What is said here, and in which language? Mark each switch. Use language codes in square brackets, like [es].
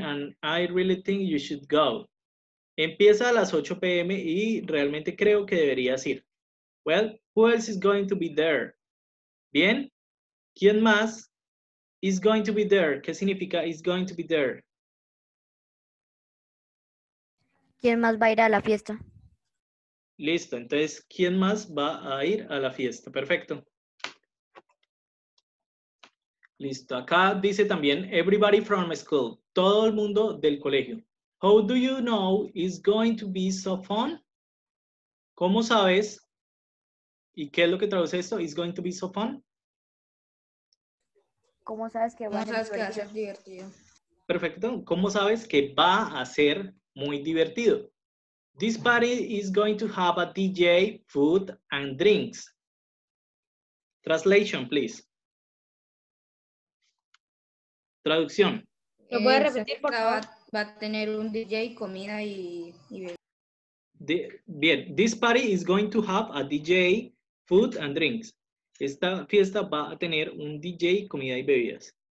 [en] and I really think you should go. [es] Empieza a las 8 p.m. y realmente creo que deberías ir. [en] Well, who else is going to be there? [es] Bien, ¿quién más [en] is going to be there? [es] ¿Qué significa [en] is going to be there? [es] ¿Quién más va a ir a la fiesta? Listo, entonces, ¿quién más va a ir a la fiesta? Perfecto. Listo, acá dice también, [en] everybody from school, [es] todo el mundo del colegio. [en] How do you know it's going to be so fun? [es] ¿Cómo sabes? ¿Y qué es lo que traduce esto? [en] It's going to be so fun. [es] ¿Cómo sabes que va a ser divertido? Perfecto, ¿cómo sabes que va a ser muy divertido? [en] This party is going to have a DJ, food and drinks. Translation, please. [es] Traducción. ¿Lo puede repetir, por favor? Va a tener un DJ, comida y... [en] Bien, this party is going to have a DJ, food and drinks. [es] Esta fiesta va a tener un DJ, comida y bebidas.